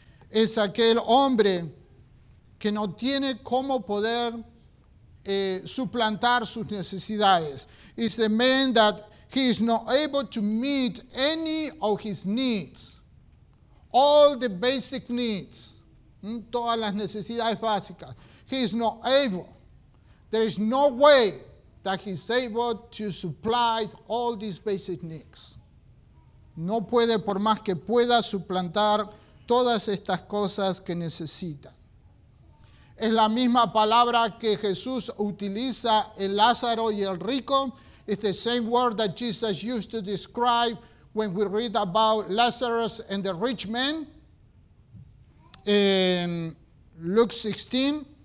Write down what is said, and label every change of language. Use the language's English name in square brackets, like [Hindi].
[Spanish] Es aquel hombre que no tiene cómo poder suplantar sus necesidades. [English] It's the man that he is not able to meet any of his needs. All the basic needs. [Spanish] Todas las necesidades básicas. [English] He is not able. There is no way that he is able to supply all these basic needs. [Spanish] No puede, por más que pueda, suplantar todas estas cosas que necesita. Es la misma palabra que Jesús utiliza en Lázaro y el rico. [English] It's the same word that Jesus used to describe when we read about Lazarus and the rich man. In Luke 16.